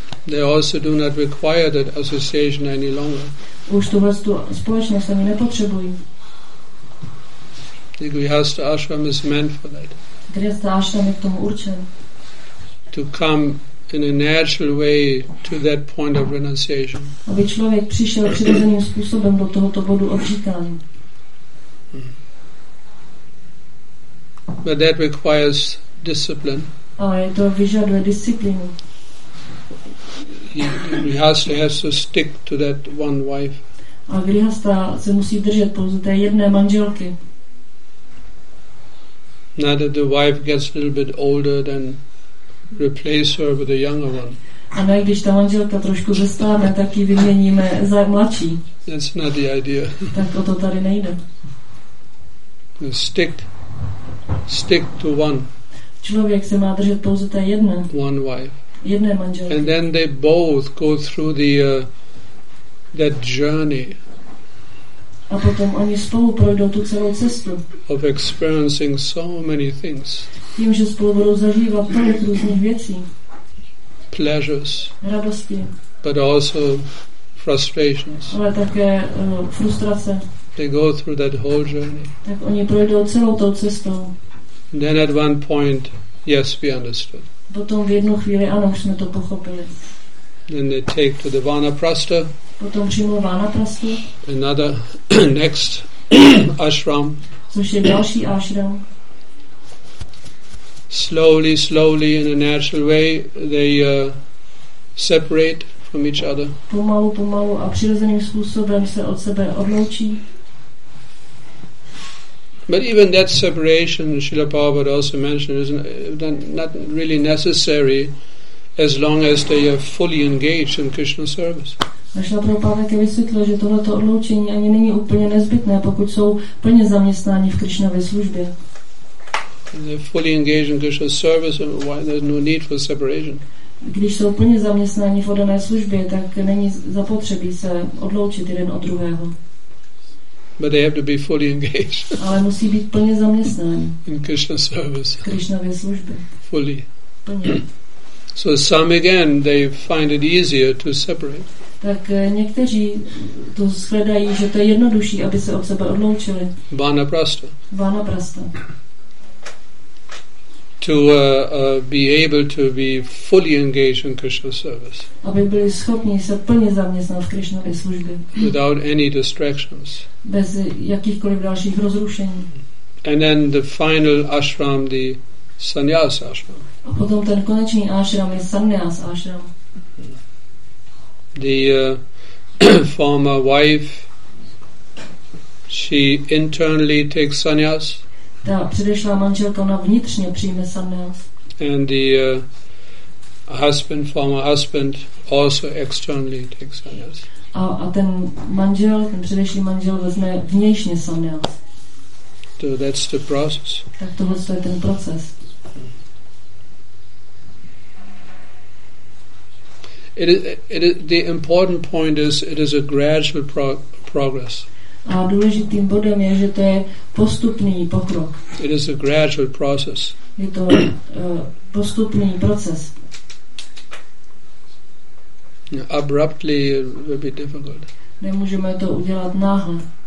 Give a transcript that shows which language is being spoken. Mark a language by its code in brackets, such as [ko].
[en] They also do not require that association any longer. [cs] Už tuhle společnost ani nepotřebují. [en] The Grihastha ashram is meant for that. [cs] Grihastha ashram je k tomu určen. [en] To come in a natural way to that point of renunciation. [cs] Aby člověk přišel přirozeným způsobem do tohoto bodu odříkání. [en] But that requires discipline. [cs] Ale to vyžaduje disciplínu. [en] Grihastha has to stick to that one wife. [cs] A grihastha se musí držet pouze té jedné manželky. [en] Now that the wife gets a little bit older, then replace her with a younger one. [cs] A ne, když ta manželka trošku zestárne, tak ji vyměníme za mladší. [en] That's not the idea. [cs] Tak o to tady nejde. [en] Stick to one. [cs] Člověk se má držet pouze té jedné. [en] One wife. [cs] Jedné manželky. [en] And then they both go through the that journey. [cs] A potom oni spolu projdou tu celou cestu. [en] Of experiencing so many things. [cs] Tím, že spolu budou zažívat tolik různých věcí. [en] Pleasures. [cs] Radosti. [en] But also frustrations. [cs] Ale také frustrace. [en] They go through that whole journey. [cs] Tak oni projdou celou tou cestou. [en] And then at one point, yes, we understood. [cs] Potom v jednu chvíli ano, už jsme to pochopili. [en] Then they take to the Vanaprastha. [cs] Potom přijmou Vanaprastha. [en] Another next ashram. [cs] Což je další ashram. [en] Slowly, in a natural way, they separate from each other. [cs] Pomalu a přirozeným způsobem se od sebe odloučí. [en] But even that separation, Srila Prabhupada also mentioned, is not really necessary as long as they are fully engaged in Krishna service. [cs] Srila Prabhupada také vysvětlil, že tohleto odloučení ani není úplně nezbytné, pokud jsou plně zaměstnáni v Krishnově službě. [en] They're fully engaged in Krishna service, and why there's no need for separation. [cs] Když jsou plně zaměstnáni v dané službě, tak není zapotřebí se odloučit jeden od druhého. [en] But they have to be fully engaged. [cs] Ale musí být plně zaměstnáni. [en] In Krishna service. [cs] Krishnově službě. [en] Fully. [cs] Plně. [en] So some again, they find it easier to separate. [cs] Tak někteří to shledají, že to je jednodušší, aby se od sebe odloučili. Vanaprastha. Vanaprastha. [en] To be able to be fully engaged in Krishna service. [cs] Aby byli schopni se plně zaměstnat v Krishnově službě. [en] Without any distractions. [cs] Bez jakýchkoliv dalších rozrušení. [en] And then the final ashram, the sannyas ashram. [cs] A potom ten konečný ashram je sannyas ashram. [en] The former wife, she internally takes sannyas. [cs] Ta předešlá manželka, ona vnitřně přijme sannyas. [en] And the husband, former husband, also externally takes sannyas. [cs] A ten manžel, ten předešlý manžel, vezme vnějšně sannyas. [en] So that's the process. [cs] Tak tohle je ten proces. [en] The important point is, it is a gradual progress. [cs] A důležitým bodem je, že to je postupný pokrok. [en] It is a gradual process. [cs] Je to postupný proces. [en] Abruptly it will be difficult. [cs] Nemůžeme to udělat náhle.